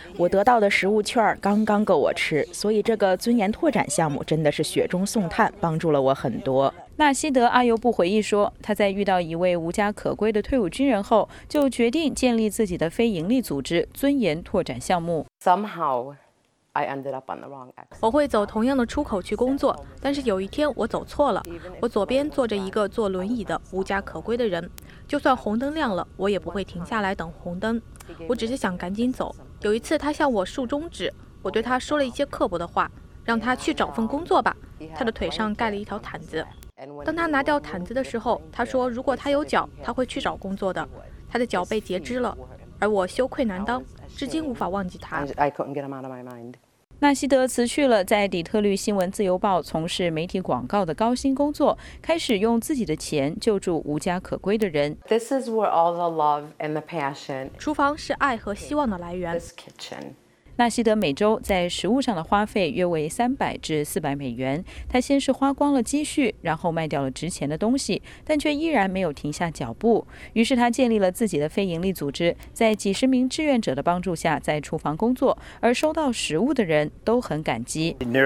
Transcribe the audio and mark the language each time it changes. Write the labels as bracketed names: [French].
[Chinese] 我得到的食物券刚刚够我吃，所以这个尊严拓展项目真的是雪中送炭，帮助了我很多。纳西德·阿尤布回忆说，他在遇到一位无家可归的退伍军人后，就决定建立自己的非营利组织尊严拓展项目。 [English] Somehow I ended up on the wrong exit. [Chinese] 我会走同样的出口去工作，但是有一天我走错了。我左边坐着一个坐轮椅的无家可归的人，就算红灯亮了，我也不会停下来等红灯。我只是想赶紧走。有一次他向我竖中指，我对他说了一些刻薄的话，让他去找份工作吧。他的腿上盖了一条毯子。当他拿掉毯子的时候，他说如果他有脚，他会去找工作的。他的脚被截肢了，而我羞愧难当，至今无法忘记他。纳西德辞去了在底特律新闻自由报从事媒体广告的高薪工作，开始用自己的钱救助无家可归的人。 [English] This is where all the love and the passion. [Chinese] 厨房是爱和希望的来源。 [English] This kitchen. [Chinese] 纳西德每周在食物上的花费约为300至400美元。他先是花光了积蓄，然后卖掉了值钱的东西，但却依然没有停下脚步。于是他建立了自己的非营利组织，在几十名志愿者的帮助下在厨房工作，而收到食物的人都很感激。